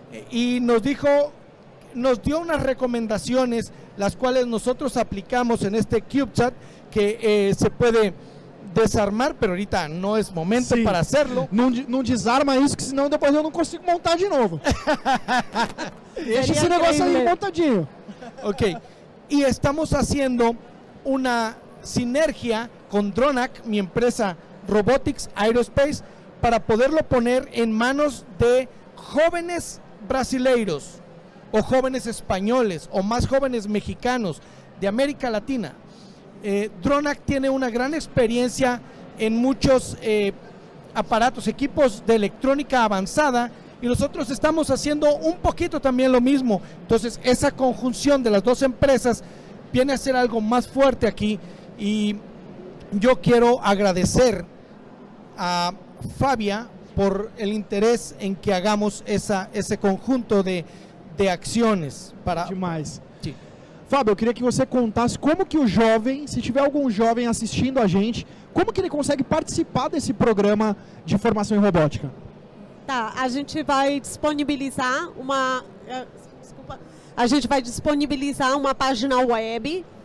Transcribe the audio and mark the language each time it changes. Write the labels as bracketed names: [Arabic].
[Spanish] Y nos dijo, nos dio unas recomendaciones, las cuales nosotros aplicamos en este CubeSat, que se puede desarmar, pero ahorita no es momento para hacerlo. [Portuguese] No desarma eso, que si no, después yo no consigo montar de nuevo. Deixa esse negócio aí montadinho. Ok. E estamos fazendo uma sinergia com Dronac, minha empresa Robotics Aerospace, para [Spanish] poderlo poner [Portuguese] em manos de jovens brasileiros, ou jovens españoles, ou mais jovens mexicanos de América Latina. Dronac tem uma grande experiência em muitos aparatos, equipos de eletrônica avançada. [Spanish] Y nosotros estamos haciendo un poquito también lo mismo. Entonces, esa conjunción de las dos empresas viene a ser algo más fuerte aquí. Y yo quiero agradecer a Fabia por el interés en que hagamos ese conjunto de acciones. Para... [Portuguese] Demais. [Spanish] Sí. [Portuguese] Fabio, eu queria que você contasse como que o jovem, se tiver algum jovem assistindo a gente, como que ele consegue participar desse programa de formação em robótica? Tá, a gente vai disponibilizar uma... Desculpa. A gente vai disponibilizar uma página web.